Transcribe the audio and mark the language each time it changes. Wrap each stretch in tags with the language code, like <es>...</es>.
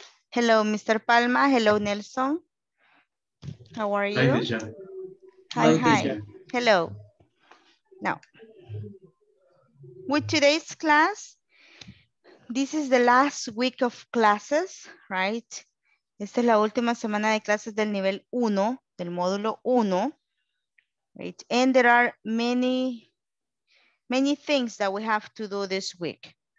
<en>Hello, Mr. Palma. Hello, Nelson. How are you? Hi, hi, hi. Hello. Now, with today's class, this is the last week of classes, right?</en> <es>Esta es la última semana de clases del nivel 1, del módulo 1, right?</es> <en>And there are many things that we have to do this week.</en>